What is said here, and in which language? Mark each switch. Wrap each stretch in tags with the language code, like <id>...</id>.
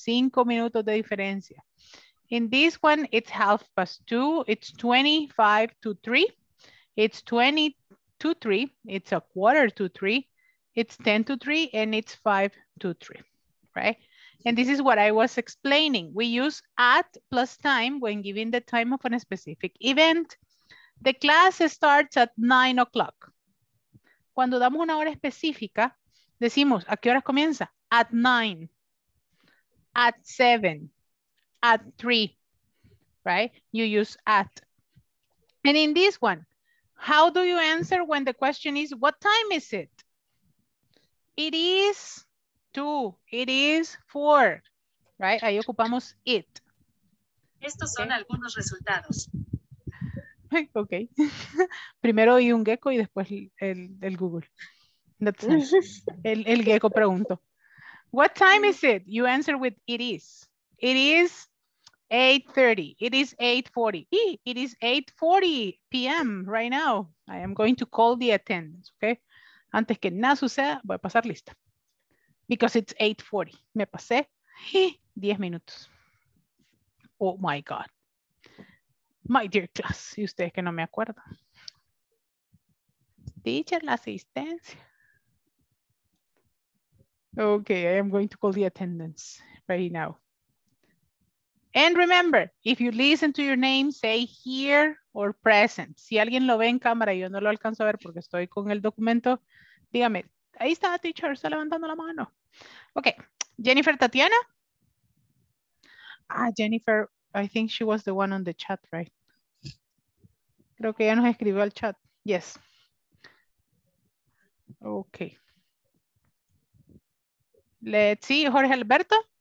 <es>5 minutos de diferencia.</es> <en>In this one, it's 2:30, it's 25 to 3, it's 20 to 3, it's 2:45, it's 10 to 3, and it's 5 to 3, right? And this is what I was explaining. We use at plus time when giving the time of a specific event. The class starts at 9 o'clock.</en> <es>Cuando damos una hora específica, decimos, ¿a qué hora comienza?</es> <en>At 9, at 7. At 3, right? You use at. And in this one, how do you answer when the question is, what time is it? It is 2, it is 4, right?</en> <es>Ahí ocupamos it. Estos son algunos resultados.</es> <en>Okay.</en> <es>Primero y un gecko y después el Google.</es> <en>That's nice.</en> <es>El gecko pregunto.</es> <en>What time is it? You answer with it is. It is 8:30, it is 8:40. It is 8:40 p.m. right now. I am going to call the attendance, okay?</en> <es>Antes que nada suceda, voy a pasar lista.</es> <en>Because it's 8:40.</en> <es>Me pasé 10 minutos.</es> <en>Oh my God. My dear class,</en> <es>y ustedes que no me acuerdan. Teacher, la asistencia.</es> <en>Okay, I am going to call the attendance right now. And remember, if you listen to your name, say here or present.</en> <es>Si alguien lo ve en cámara, yo no lo alcanzo a ver porque estoy con el documento. Dígame, ahí está la teacher, está levantando la mano.</es> <en>Okay, Jennifer, Tatiana. Ah, Jennifer, I think she was the one on the chat, right?</en> <es>Creo que ella nos escribió al chat. Yes.</es> <en>Okay. Let's see, Jorge Alberto.</en>